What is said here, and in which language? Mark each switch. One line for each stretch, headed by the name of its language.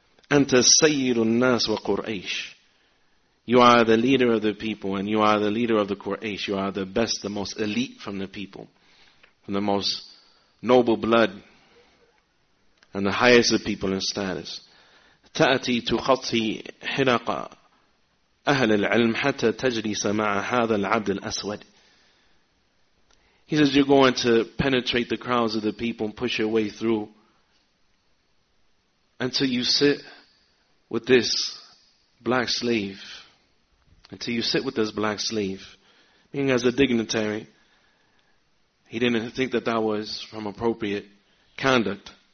Arabic: أنت سيد الناس وقرأيش.
English: You are the leader of the people and you are the leader of the Quraysh. You are the best, the most elite from the people, from the most noble blood, and the highest of people in status.
Arabic: تأتي تخطي حلق أهل العلم حتى تجلس مع هذا العبد الأسود.
English: He says, you're going to penetrate the crowds of the people and push your way through until you sit with this black slave. Until you sit with this black slave. Meaning as a dignitary, he didn't think that that was from appropriate conduct.